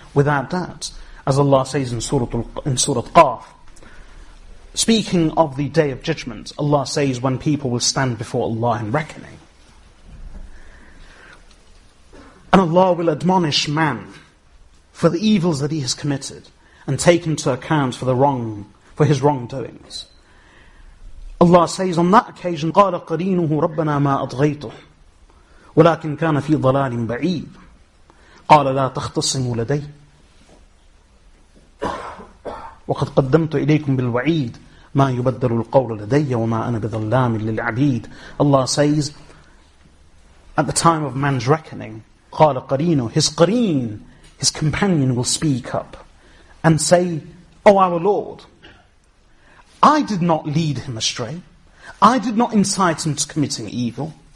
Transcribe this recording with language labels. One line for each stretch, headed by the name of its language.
English: Without doubt, as Allah says in Surah Qaf, speaking of the Day of Judgment, Allah says when people will stand before Allah in reckoning. And Allah will admonish man for the evils that he has committed and take him to account for his wrongdoings. Allah says on that occasion,
Arabic: قَالَ قَرِينُهُ رَبَّنَا مَا أَطْغَيْتُهُ وَلَكِنْ كَانَ فِي ضَلَالٍ بَعِيدٍ قَالَ لَا تَخْتَصِمُ لَدَيْ وَقَدْ قَدَّمْتُ إِلَيْكُمْ بِالْوَعِيدِ مَا يُبَدَّلُ الْقَوْلُ لَدَيَّ وَمَا أَنَا بِظَلَّامٍ لِلْعَبِيدِ.
English: Allah says, at the time of man's reckoning,
Arabic: قَالَ قَرِينُهُ,
English: his قَرِين, his companion will speak up and say, oh our Lord, I did not lead him astray. I did not incite him to committing evil.